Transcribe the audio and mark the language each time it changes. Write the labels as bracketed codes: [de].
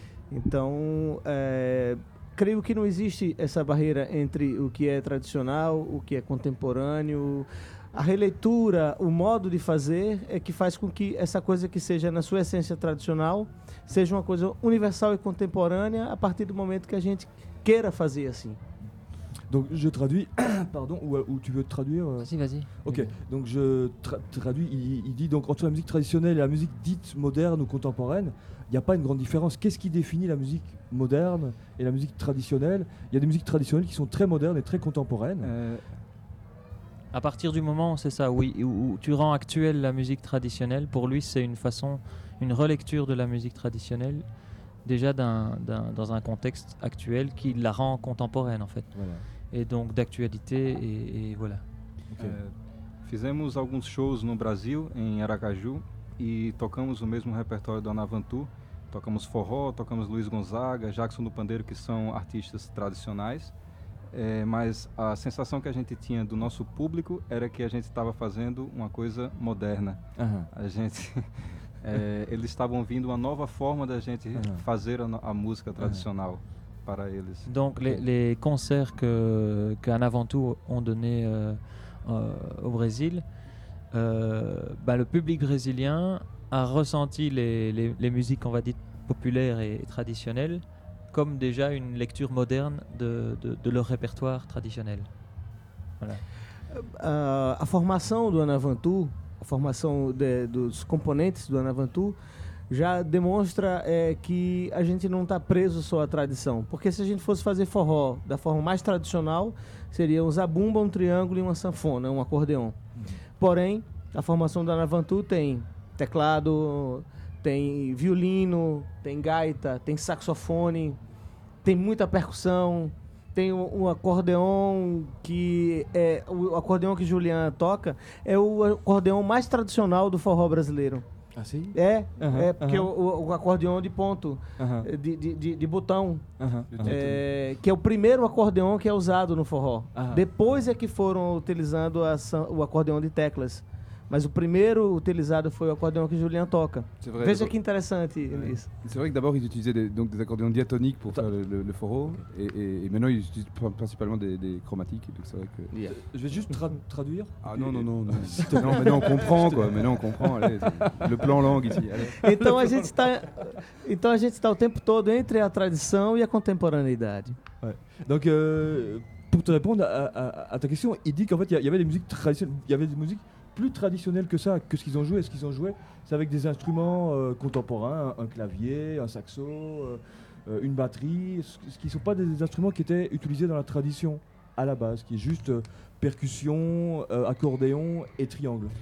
[pt] Então, creio que não existe essa barreira entre o que é tradicional, o que é contemporâneo. A releitura, o modo de fazer, é que faz com que essa coisa que seja na sua essência tradicional seja uma coisa universal e contemporânea a partir do momento que a gente... queira fazer assim. [fr] Donc je traduis, pardon, ou tu veux traduire? Vas-y. Ok, donc je traduis, il dit donc entre la musique traditionnelle et la musique dite moderne ou contemporaine, il n'y a pas une grande différence. Qu'est-ce qui définit la musique moderne et la musique traditionnelle? Il y a des musiques traditionnelles qui sont très modernes et très contemporaines. À partir du moment, c'est ça, oui, où tu rends actuelle la musique traditionnelle, pour lui c'est une façon, une relecture de la musique traditionnelle, déjà dans un contexte actuel qui la rend contemporaine, en fait. Voilà. Et donc d'actualité, et voilà. Okay. [pt] Fizemos alguns shows no Brasil, em Aracaju, e tocamos o mesmo repertório da Navantu. Tocamos forró, tocamos Luiz Gonzaga, Jackson do Pandeiro, que são artistas tradicionais. Mas a sensação que a gente tinha do nosso público era que a gente estava fazendo uma coisa moderna. Uh-huh. A gente... eles estavam vindo uma nova forma da gente fazer a música tradicional para eles. [fr] Donc les concerts que en avant tout ont donné au Brésil, le public brésilien a ressenti les musiques on va dire populaires et traditionnelles comme déjà une lecture moderne de leur répertoire traditionnel. Voilà. [pt] A formação do en avant tout, a formação dos componentes do Anavantu, já demonstra que a gente não está preso só à tradição. Porque se a gente fosse fazer forró da forma mais tradicional, seria um zabumba, um triângulo e uma sanfona, um acordeon. Porém, a formação do Anavantu tem teclado, tem violino, tem gaita, tem saxofone, tem muita percussão, tem um acordeon que é o acordeon que Julian toca, é o acordeon mais tradicional do forró brasileiro. Assim? É, uhum, é porque uhum. O acordeon de ponto, uhum. de botão, uhum. É, que é o primeiro acordeon que é usado no forró. Uhum. Depois é que foram utilizando o acordeon de teclas. Mas o primeiro utilizado foi o acordeon que o Julian toca. [fr] C'est vrai, [pt] veja d'abord... que interessante isso. [fr] C'est vrai que d'abord ils utilisaient des accordéons diatoniques pour faire le forró. Okay. Et maintenant ils utilisent principalement des chromatiques. Donc c'est vrai que... yeah. Je vais juste traduire. Ah non. Non, maintenant on comprend quoi. Maintenant on comprend. Allez, le plan langue ici. [pt] Então a gente está o tempo todo entre a tradição e a contemporaneidade. [fr] Ouais. Donc pour te répondre à ta question, il dit qu'en fait il y avait des musiques traditionnelles. Il y avait des musiques plus traditionnel que ça, que ce qu'ils ont joué. Ce qu'ils ont joué, c'est avec des instruments contemporains, un clavier, un saxo, une batterie, ce qui ne sont pas des instruments qui étaient utilisés dans la tradition à la base, qui est juste percussion, accordéon et triangle.